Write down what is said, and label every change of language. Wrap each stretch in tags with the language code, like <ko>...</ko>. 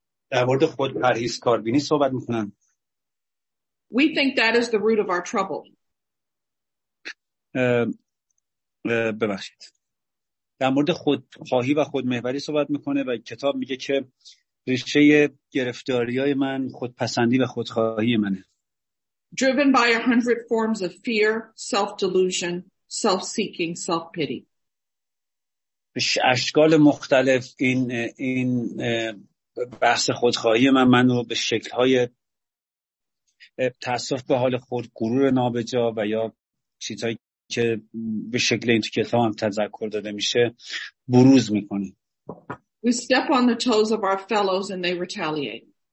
<fa>در مورد خود پرهیز کاربینی صحبت میکنن.</fa> <en>We think that is the root of our trouble.</en> <fa>ببخشید. در مورد خود خواهی و خودمحوری صحبت میکنه و کتاب میگه که ریشه گرفتاری های من خودپسندی و خودخواهی منه.</fa> <en>Driven by 100 forms of fear, self-delusion, self-seeking, self-pity.</en> <fa>اشکال مختلف این بحث خودخواهی من رو به شکل‌های تأسف به حال خود، غرور نابجا و یا چیزهایی که به شکل این تو کتاب هم تذکر داده میشه بروز میکنه.</fa> <en>We step on the toes of our fellows and they retaliate.</en>